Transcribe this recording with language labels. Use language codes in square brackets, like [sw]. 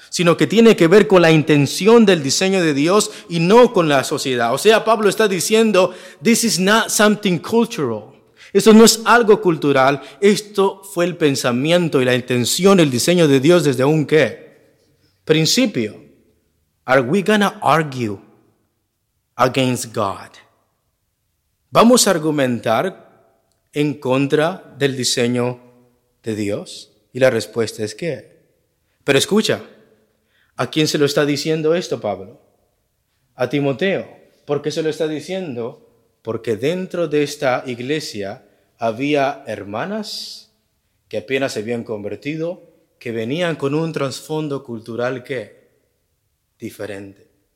[es] sino que tiene que ver con la intención del diseño de Dios y no con la sociedad. O sea, Pablo está diciendo, [en] this is not something cultural. [es] Esto no es algo cultural, esto fue el pensamiento y la intención, el diseño de Dios desde un ¿qué? Principio. [en] Are we gonna argue against God? [es] ¿Vamos a argumentar en contra del diseño de Dios? Y la respuesta es ¿qué? Pero escucha, ¿a quién se lo está diciendo esto, Pablo? A Timoteo. ¿Por qué se lo está diciendo? Porque dentro de esta iglesia había hermanas que apenas se habían convertido, que venían con un trasfondo cultural ¿qué? Diferente.